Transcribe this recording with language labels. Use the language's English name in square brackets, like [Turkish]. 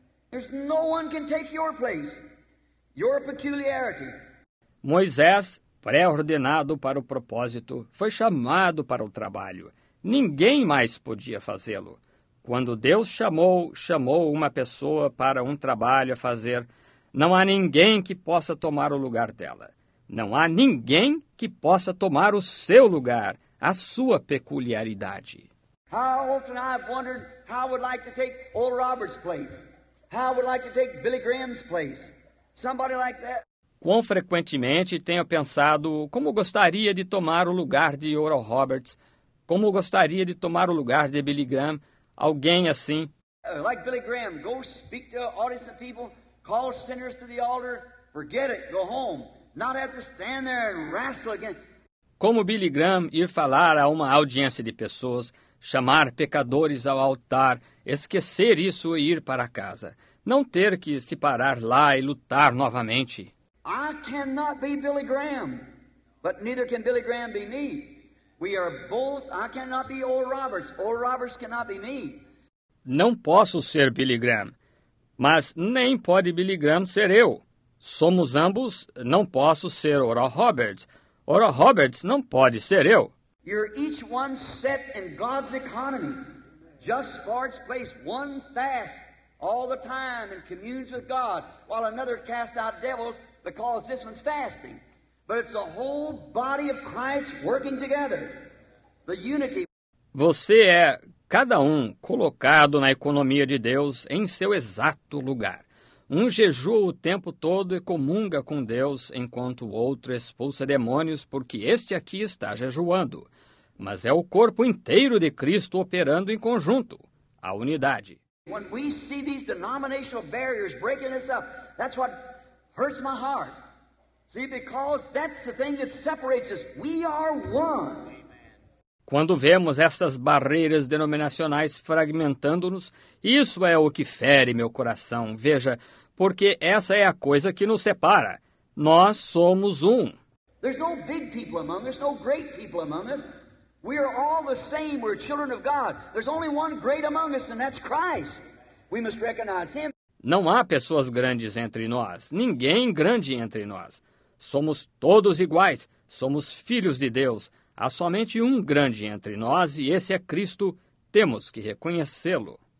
[English] There's no one can take your place, your peculiarity. [Portuguese] Moisés, pré-ordenado para o propósito, foi chamado para o trabalho. Ninguém mais podia fazê-lo. Quando Deus chamou uma pessoa para um trabalho a fazer, não há ninguém que possa tomar o lugar dela. Não há ninguém que possa tomar o seu lugar, a sua peculiaridade. [English] How often I've wondered how I would like to take Old Robert's place. How I would like to take Billy Graham's place. Somebody like that. [Portuguese] Quão frequentemente tenho pensado como gostaria de tomar o lugar de Oral Roberts. Como gostaria de tomar o lugar de Billy Graham. Alguém assim. [English] Like Billy Graham, go speak to audience of people Call sinners to the altar. Forget it. Go home. Not have to stand there and wrestle again. [Portuguese] Como Billy Graham ir falar a uma audiência de pessoas, chamar pecadores ao altar, esquecer isso e ir para casa, não ter que se parar lá e lutar novamente. [English] I cannot be Billy Graham, but neither can Billy Graham be me. We are both. I cannot be Oral Roberts. Oral Roberts cannot be me. [Portuguese] Não posso ser Billy Graham, mas nem pode Billy Graham ser eu. Somos ambos. Não posso ser Oral Roberts. Oral Roberts não pode ser eu. [English] You're each one set in God's economy. Just Sparks place one fast all the time and communes with God, while another casts out devils because this one's fasting. But it's the whole body of Christ working together. The unity. [Portuguese] Você é cada um colocado na economia de Deus em seu exato lugar. Um jejua o tempo todo e comunga com Deus, enquanto o outro expulsa demônios porque este aqui está jejuando. Mas é o corpo inteiro de Cristo operando em conjunto, a unidade. [English] When we see these denominational barriers breaking us up, that's what hurts my heart. See, because that's the thing that separates us. We are one. [Portuguese] Quando vemos essas barreiras denominacionais fragmentando-nos, isso é o que fere meu coração. Veja, porque essa é a coisa que nos separa. Nós somos um. [English] There's no big people among us, no great people among us. We are all the same, we're children of God. There's only one great among us, and that's Christ. We must recognize him. [Portuguese] Não há pessoas grandes entre nós, ninguém grande entre nós. Somos todos iguais, somos filhos de Deus. Há somente um grande entre nós, e esse é Cristo. Temos que reconhecê-lo.